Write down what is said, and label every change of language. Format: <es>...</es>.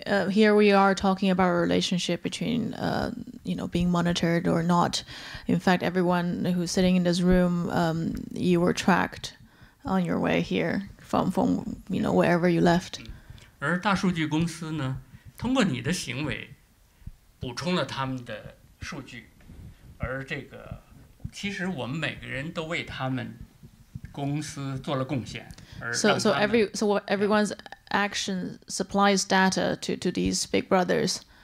<en>Here we are talking about a relationship between, being monitored or not. In fact, everyone who's sitting in this room, you were tracked on your way here from wherever you left.</en> <zh>而大数据公司呢，通过你的行为补充了他们的数据，而这个其实我们每个人都为他们公司做了贡献。</zh> <en>So what everyone's action supplies data to these big brothers.</en>